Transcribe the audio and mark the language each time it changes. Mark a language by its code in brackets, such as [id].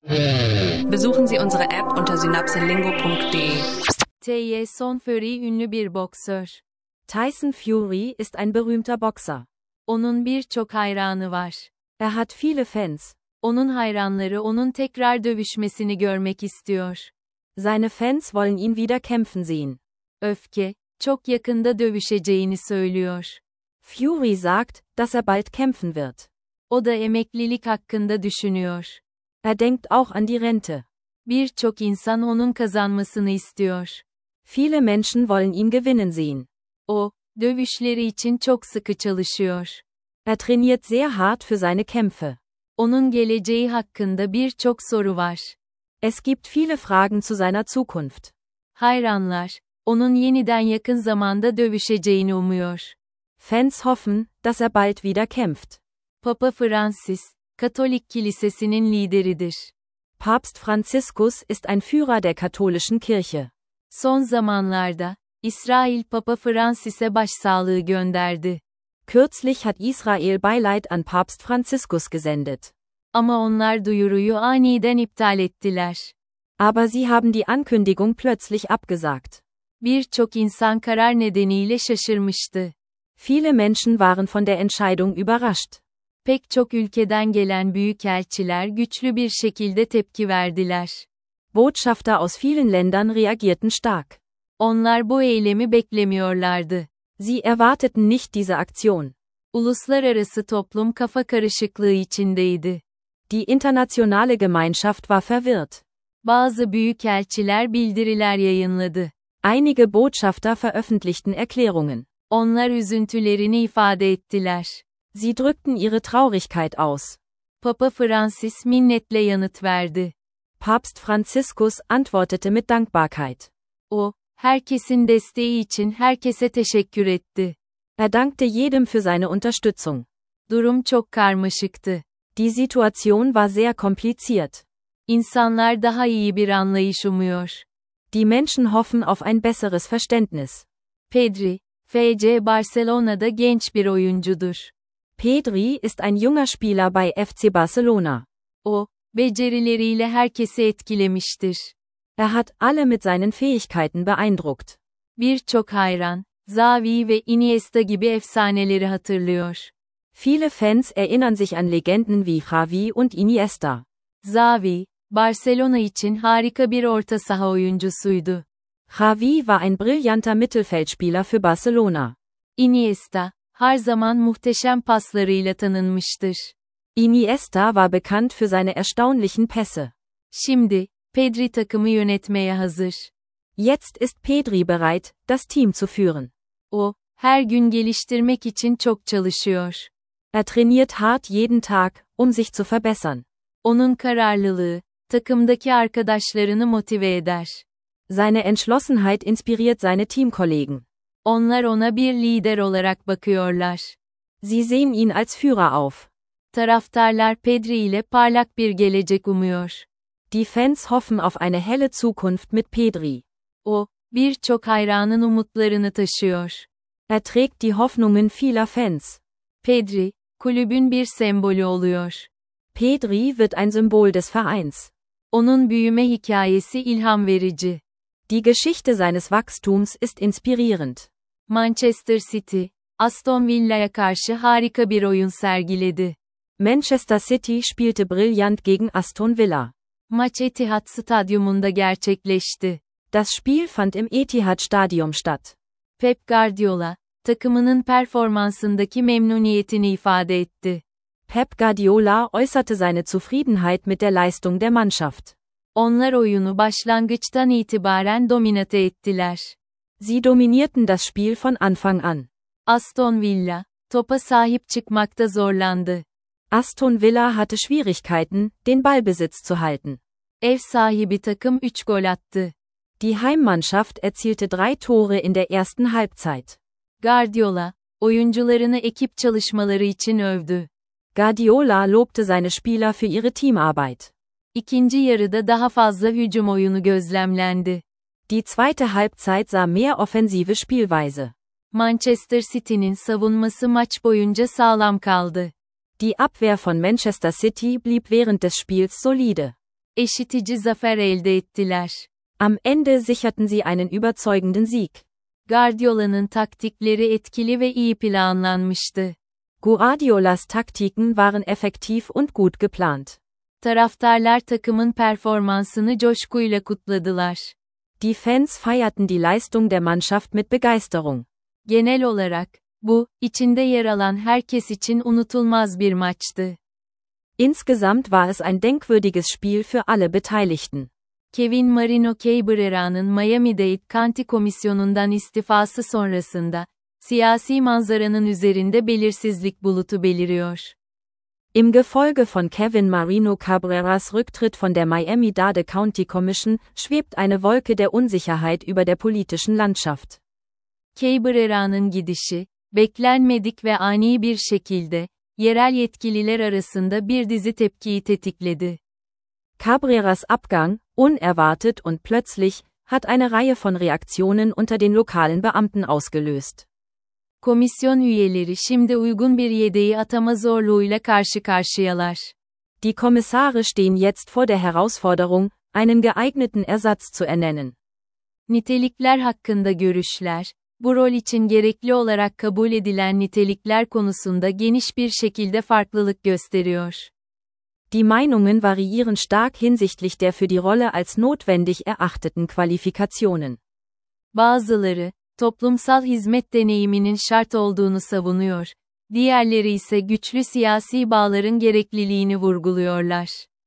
[de] Besuchen Sie unsere App unter synapselingo.de. [tr] Tyson Fury ünlü bir boksör. [de] Tyson Fury ist ein berühmter Boxer. [tr] Onun birçok hayranı var. [de] Er hat viele Fans. [tr] Onun hayranları onun tekrar dövüşmesini görmek istiyor. [de] Seine Fans wollen ihn wieder kämpfen sehen. [tr] Öfke, çok yakında dövüşeceğini söylüyor. [de] Fury sagt, dass er bald kämpfen wird. [tr] O da emeklilik hakkında düşünüyor. [de] Er denkt auch an die Rente. [tr] Birçok insan onun kazanmasını istiyor. [de] Viele Menschen wollen ihn gewinnen sehen. [tr] O, dövüşleri için çok sıkı çalışıyor. [de] Er trainiert sehr hart für seine Kämpfe. [tr] Onun geleceği hakkında birçok soru var. [de] Es gibt viele Fragen zu seiner Zukunft. [tr] Hayranlar, onun yeniden yakın zamanda dövüşeceğini umuyor. [de] Fans hoffen, dass er bald wieder kämpft. [tr] Papa Francis, Katolik Kilisesi'nin lideridir. [de] Papst Franziskus ist ein Führer der katholischen Kirche. [tr] Son zamanlarda, İsrail Papa Francis'e başsağlığı gönderdi. [de] Kürzlich hat Israel Beileid an Papst Franziskus gesendet. [tr] Ama onlar duyuruyu aniden iptal ettiler. [de] Aber sie haben die Ankündigung plötzlich abgesagt. [tr] Birçok insan karar nedeniyle şaşırmıştı. [de] Viele Menschen waren von der Entscheidung überrascht. [tr] Pek çok ülkeden gelen büyükelçiler güçlü bir şekilde tepki verdiler. [de] Botschafter aus vielen Ländern reagierten stark. [tr] Onlar bu eylemi beklemiyorlardı. [de] Sie erwarteten nicht diese Aktion. [tr] Uluslararası toplum kafa karışıklığı içindeydi. [de] Die internationale Gemeinschaft war verwirrt. [tr] Bazı büyükelçiler bildiriler yayınladı. [de] Einige Botschafter veröffentlichten Erklärungen. [tr] Onlar üzüntülerini ifade ettiler. [de] Sie drückten ihre Traurigkeit aus. [tr] Papa Francis minnetle yanıt verdi. [de] Papst Franziskus antwortete mit Dankbarkeit. [tr] O, herkesin desteği için herkese teşekkür etti. [de] Er dankte jedem für seine Unterstützung. [tr] Durum çok karmaşıktı. [de] Die Situation war sehr kompliziert. [tr] İnsanlar daha iyi bir anlayış umuyor. [de] Die Menschen hoffen auf ein besseres Verständnis. [tr] Pedri, FC Barcelona'da genç bir oyuncudur. [de] Pedri ist ein junger Spieler bei FC Barcelona. [tr] O, becerileriyle herkesi etkilemiştir. [de] Er hat alle mit seinen Fähigkeiten beeindruckt. [tr] Birçok hayran, Xavi ve Iniesta gibi efsaneleri hatırlıyor. [de] Viele Fans erinnern sich an Legenden wie Xavi und Iniesta. [tr] Xavi, Barcelona için harika bir orta saha oyuncusuydu. [de] Xavi war ein brillanter Mittelfeldspieler für Barcelona. [tr] Iniesta, her zaman muhteşem paslarıyla tanınmıştır. [de] Iniesta war bekannt für seine erstaunlichen Pässe. [tr] Şimdi, Pedri takımı yönetmeye hazır. [de] Jetzt ist Pedri bereit, das Team zu führen. [tr] O, her gün geliştirmek için çok çalışıyor. [de] Er trainiert hart jeden Tag, sich zu verbessern. [tr] Onun kararlılığı, takımdaki arkadaşlarını motive eder. [de] Seine Entschlossenheit inspiriert seine Teamkollegen. [tr] Onlar ona bir lider olarak bakıyorlar. [de] Sie sehen ihn als Führer auf. [tr] Taraftarlar Pedri ile parlak bir gelecek umuyor. [de] Die Fans hoffen auf eine helle Zukunft mit Pedri. [tr] O, birçok hayranın umutlarını taşıyor. [de] Er trägt die Hoffnungen vieler Fans. [tr] Pedri, kulübün bir sembolü oluyor. [de] Pedri wird ein Symbol des Vereins. [tr] Onun büyüme hikayesi ilham verici. [de] Die Geschichte seines Wachstums ist inspirierend. [tr] Manchester City, Aston Villa'ya karşı harika bir oyun sergiledi. [de] Manchester City spielte brillant gegen Aston Villa. [tr] Maç Etihad Stadyumunda gerçekleşti. [de] Das Spiel fand im Etihad Stadium statt. [tr] Pep Guardiola, takımının performansındaki memnuniyetini ifade etti. [de] Pep Guardiola äußerte seine Zufriedenheit mit der Leistung der Mannschaft. [tr] Onlar oyunu başlangıçtan itibaren dominate ettiler. [de] Sie dominierten das Spiel von Anfang an. [tr] Aston Villa, topa sahip çıkmakta zorlandı. [de] Aston Villa hatte Schwierigkeiten, den Ballbesitz zu halten. [tr] Ev sahibi takım 3 gol attı. [de] Die Heimmannschaft erzielte 3 Tore in der ersten Halbzeit. [tr] Guardiola, oyuncularını ekip çalışmaları için övdü. [de] Guardiola lobte seine Spieler für ihre Teamarbeit. [tr] İkinci yarıda daha fazla hücum oyunu gözlemlendi. [de] Die zweite Halbzeit sah mehr offensive Spielweise. [tr] Manchester City'nin savunması maç boyunca sağlam kaldı. [de] Die Abwehr von Manchester City blieb während des Spiels solide. [tr] eşitici zafer elde ettiler. [de] Am Ende sicherten sie einen überzeugenden Sieg. [tr] Guardiola'nın taktikleri etkili ve iyi planlanmıştı. [de] Guardiolas Taktiken waren effektiv und gut geplant. [tr] Taraftarlar takımın performansını coşkuyla kutladılar. [de] Die Fans feierten die Leistung der Mannschaft mit Begeisterung. [tr] Genel olarak, bu, içinde yer alan herkes için unutulmaz bir maçtı. [de] Insgesamt war es ein denkwürdiges Spiel für alle Beteiligten. [tr] Kevin Marino Cabrera'nın Miami-Dade County Komisyonundan istifası sonrasında, siyasi manzaranın üzerinde belirsizlik bulutu beliriyor. [de] Im Gefolge von Kevin Marino Cabreras Rücktritt von der Miami-Dade County Commission schwebt eine Wolke der Unsicherheit über der politischen Landschaft. [tr] Cabrera'nın gidişi, beklenmedik ve ani bir şekilde, yerel yetkililer arasında bir dizi tepkiyi tetikledi. [de] Cabreras Abgang, unerwartet und plötzlich, hat eine Reihe von Reaktionen unter den lokalen Beamten ausgelöst. [tr] Komisyon üyeleri şimdi uygun bir yedeği atama zorluğuyla karşı karşıyalar. [de] Die Kommissare stehen jetzt vor der Herausforderung, einen geeigneten Ersatz zu ernennen. [tr] Nitelikler hakkında görüşler, bu rol için gerekli olarak kabul edilen nitelikler konusunda geniş bir şekilde farklılık gösteriyor. [de] Die Meinungen variieren stark hinsichtlich der für die Rolle als notwendig erachteten Qualifikationen. [tr] Bazıları, toplumsal hizmet deneyiminin şart olduğunu savunuyor. Diğerleri ise güçlü siyasi bağların gerekliliğini vurguluyorlar.